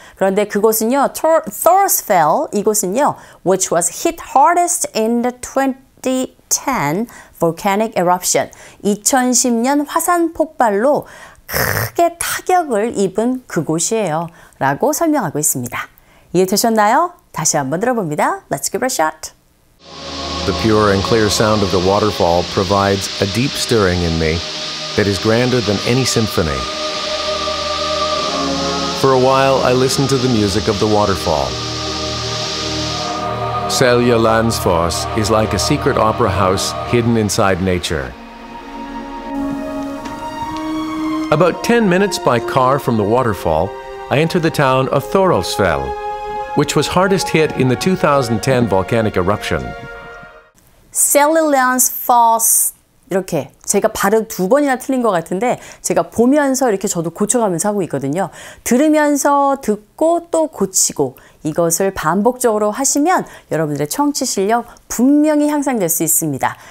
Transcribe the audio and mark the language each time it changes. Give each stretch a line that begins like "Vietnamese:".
Korean: 그런데 그곳은요,
English: Thoralfsfell,
Korean: 이곳은요,
English: which was hit hardest in the 2010 volcanic eruption.
Korean: 2010년 화산 폭발로 크게 타격을 입은 그곳이에요. 라고 설명하고 있습니다. 이해되셨나요? 다시 한번 들어봅니다.
English: Let's give it a shot. The pure and clear sound of the waterfall provides a deep stirring in me that is grander than any symphony. For a while, I listened to the music of the waterfall. Selja Landsfoss is like a secret opera house hidden inside nature. About 10 minutes by car from the waterfall, I entered the town of Thorolsfell, which was hardest hit in the 2010 volcanic eruption. Celilian's Falls.
Korean: 이렇게 제가 발음 두 번이나 틀린 것 같은데 제가 보면서 이렇게 저도 고쳐가면서 하고 있거든요. 들으면서 듣고 또 고치고 이것을 반복적으로 하시면 여러분들의 청취 실력 분명히 향상될 수 있습니다.